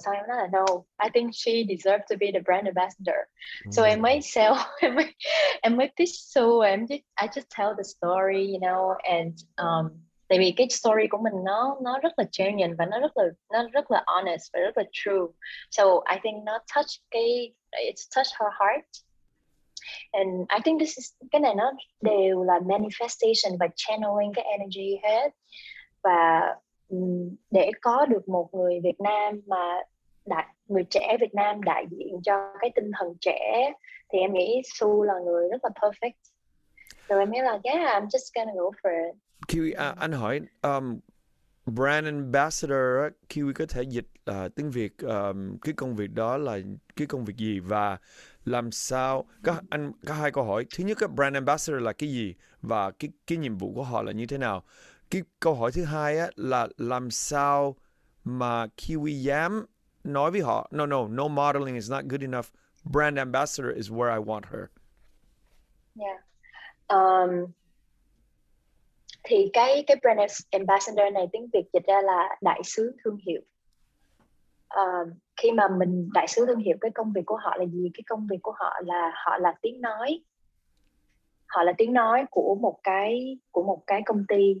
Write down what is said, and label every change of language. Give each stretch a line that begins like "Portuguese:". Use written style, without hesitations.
Vietnamese: Sau em nói là
English: no, I think she deserves to be the brand ambassador.
Vietnamese: So em mới pitch Su,
English: I just tell the story, you know,
Vietnamese: and tại vì cái story của mình nó rất là genuine và nó rất là honest và rất là true.
English: So I think nó touched her heart. And I think this is
Vietnamese: cái này nó đều là manifestation và channeling cái energy hết. Và để có được một người Việt Nam mà người trẻ Việt Nam đại diện cho cái tinh thần trẻ, thì em nghĩ Su là người rất là perfect.
English: So
Vietnamese: em nghĩ là
English: yeah, I'm just gonna go for it.
Vietnamese: Kiwi, anh hỏi, brand ambassador, Kiwi có thể dịch tiếng Việt cái công việc đó là cái công việc gì và làm sao? Có 2 câu hỏi. Thứ nhất, brand ambassador là cái gì và cái nhiệm vụ của họ là như thế nào? Cái câu hỏi thứ hai là làm sao mà Kiwi dám nói với họ,
English: no modeling is not good enough. Brand ambassador is where I want her. Yeah.
Vietnamese: Thì cái brand ambassador này tiếng Việt dịch ra là đại sứ thương hiệu. Khi mà mình đại sứ thương hiệu, cái công việc của họ là gì? Cái công việc của họ là tiếng nói. Họ là tiếng nói của một cái công ty.